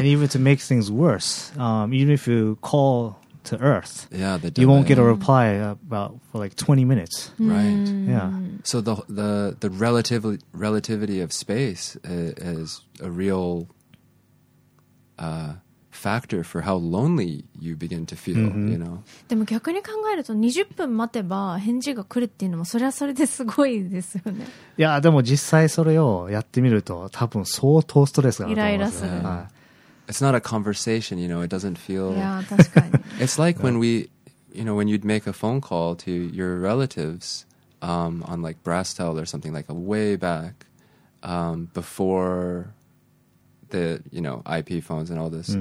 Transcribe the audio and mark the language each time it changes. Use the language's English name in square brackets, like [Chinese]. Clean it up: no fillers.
[English] and even to make things worse, even if you call to Earth, yeah, you won't get a reply about for like 20 minutes. Right. Mm. Yeah. So the relativity of space is a real factor for how lonely you begin to feel, mm-hmm. you know. [Japanese] でも逆に考えると20分待てば返事が来るっていうのもそれはそれですごいですよね。いや、でも実際それをやってみると多分相当ストレスがあると思います。イライラする、はい、 [English] It's not a conversation, you know, it doesn't feel. [Japanese] いや、確かに。 [English] It's like when we, you know, when you'd make a phone call to your relatives on like Brastel or something like a way back beforeThe you know IP phones and all this mm-hmm.